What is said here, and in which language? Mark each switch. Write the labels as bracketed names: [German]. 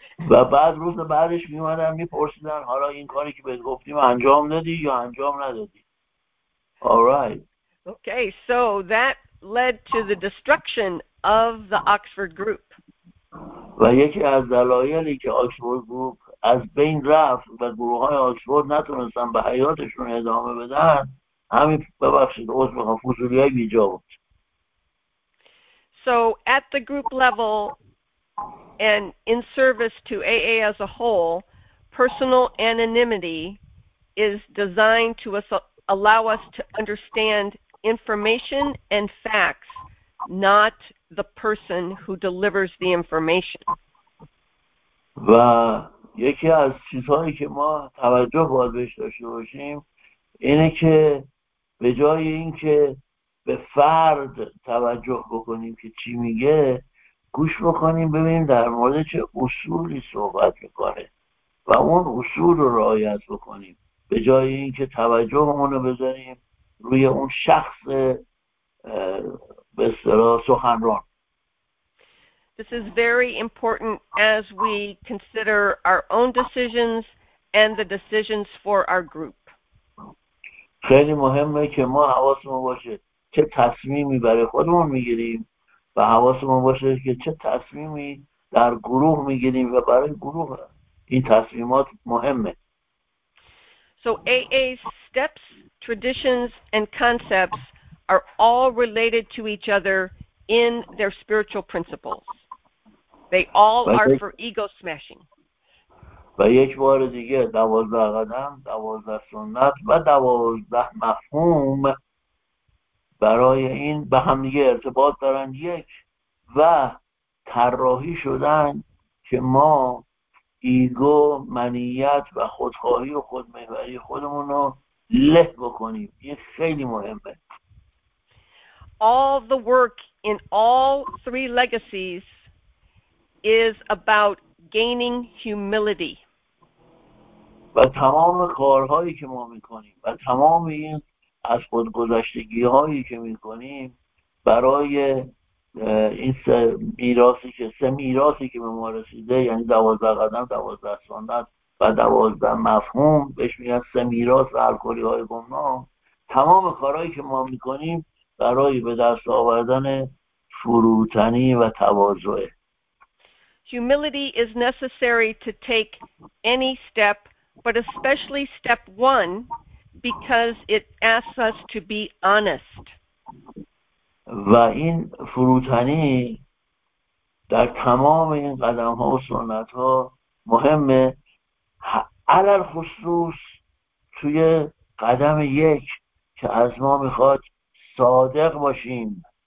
[Persian] و بعد روز بعدش میومدن میپرسیدن حالا این کاری که بهت گفتیم انجام دادی یا انجام ندادی. All right. [English] Okay, so that led to the destruction of the Oxford group. [Persian] و یکی از دلایلی که آکسفورد گروپ از بین رفت و گروه های آکسفورد نتونستن به حیاتشون ادامه بدن همین ببخشید عذر میخوام فضولی های بیجا بود. [English] So at the group level and in service to AA as a whole, personal anonymity is designed to allow us to understand information and facts, not the person who delivers the information. [Persian] و یکی از چیزهایی که ما توجه باید بهش داشته باشیم اینه که به جای اینکه به فرد توجه بکنیم که چی میگه گوش بکنیم ببینیم در مورد چه اصولی صحبت میکنه و اون اصول رو رعایت بکنیم به جای اینکه توجهمون رو بذاریم روی اون شخص به اصطلاح سخنران. [English] This is very important as we consider our own decisions and the decisions for our group. [Persian] خیلی مهمه که ما حواسمون باشه چه تصمیمی برای خودمون میگیریم و حواسمون باشه که چه تصمیمی در گروه میگیریم و برای گروه این تصمیمات مهمه. [English] So AA steps, traditions and concepts are all related to each other in their spiritual principles. They all are for ego smashing. [Persian] و یک بار دیگه 12 قدم، 12 سنت و 12 مفهوم برای این به هم دیگه ارتباط دارن یک، و طراحی شدن که ما ایگو، منیت و خودخواهی و خودمحوری خودمون رو له بکنیم. این خیلی مهمه. [English] All the work in all three legacies is about gaining humility. [Persian] و تمام کارهایی که ما میکنیم و تمام این از خودگذشتگی هایی که میکنیم برای این سه میراثی که به ما رسیده، یعنی 12 قدم، 12 سنت و 12 مفهوم، بهش میگن سه میراث و الکلی های گمنام، تمام کارهایی که ما میکنیم برای به دست آوردن فروتنی و تواضع. [English] Humility is necessary to take any step, but especially step one, because it asks us to be honest. [Persian] و این فروتنی در تمام این قدم‌ها و سنت‌ها مهمه، علل خصوص توی قدم یک که از ما میخواد صادق باشیم.